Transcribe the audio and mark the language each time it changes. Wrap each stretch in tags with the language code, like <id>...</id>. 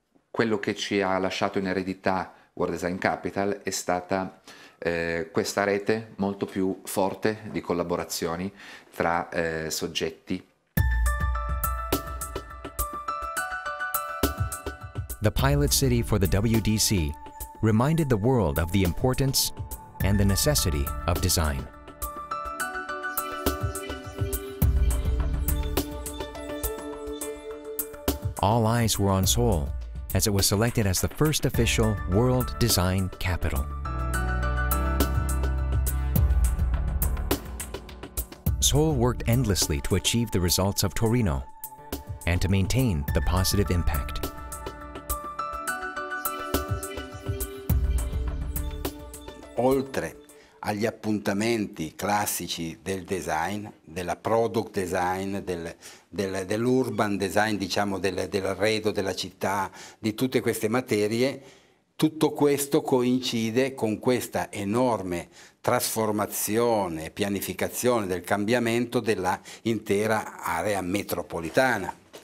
<it>quello che ci ha lasciato in eredità World Design Capital è stata questa rete molto più forte di collaborazioni tra soggetti.</it> <en>The pilot city for the WDC reminded the world of the importance and the necessity of design. All eyes were on Seoul as it was selected as the first official World Design Capital. Seoul worked endlessly to achieve the results of Torino and to maintain the positive impact.</en> <it>Oltre agli appuntamenti classici del design, della product design, dell'urban design, diciamo, dell'arredo della città, di tutte queste materie, tutto questo coincide con questa enorme trasformazione, pianificazione del cambiamento dell'intera area metropolitana.</it>